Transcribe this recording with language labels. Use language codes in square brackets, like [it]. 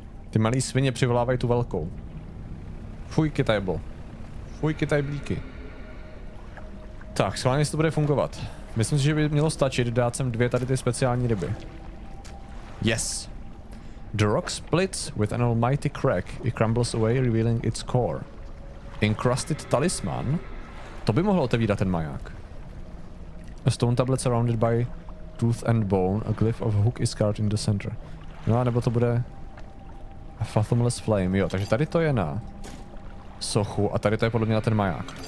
[cs] Ty malý svině přivolávají tu velkou. Fujky table. Fujky tajblíky. Tak, schválně jestli to bude fungovat. Myslím si, že by mělo stačit dát sem dvě tady ty speciální ryby. [en] Yes. The rock splits with an almighty crack. It crumbles away, revealing its core. [cs] Encrusted talisman. To by mohlo otevírat ten maják. [en] A stone tablet surrounded by tooth and bone. A glyph of hook is carved in the center. [cs] No a nebo to bude... A Fathomless Flame, jo, takže tady to je na sochu a tady to je podle mě na ten maják.